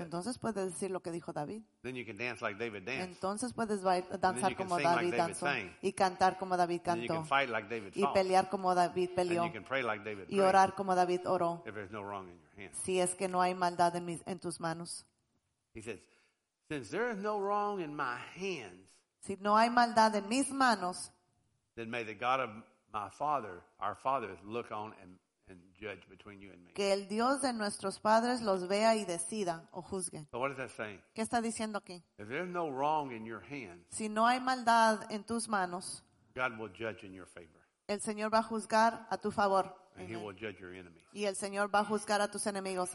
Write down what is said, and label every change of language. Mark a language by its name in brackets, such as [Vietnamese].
[Spanish] Entonces puedes decir lo que dijo David. [English] Then you can dance like David danced. [Spanish] Entonces puedes danzar como David danzó. [English] Like [Spanish] y cantar como David cantó. [English] Then you can fight like David [Spanish] y pelear como David peleó. [English] And you can pray like David [Spanish] y orar [English] prayed. [Spanish] Como David oró. [English] If there's no wrong in your hands. [Spanish] Si es que no hay maldad en tus manos. [English] He says, since there is no wrong in my hands, [Spanish] si no hay maldad en mis manos, [English] then may the God of my father, our fathers, look on and judge between you and me. [Spanish] Que el Dios de nuestros padres los vea y decida o juzgue. [English] So what is that saying? [Spanish] ¿Qué está diciendo aquí? [English] If there's no wrong in your hands, [Spanish] si no hay maldad en tus manos, [English] God will judge in your favor. [Spanish] El Señor va a juzgar a tu favor. [English] And he will judge your enemies. [Spanish] Y el Señor va a juzgar a tus enemigos.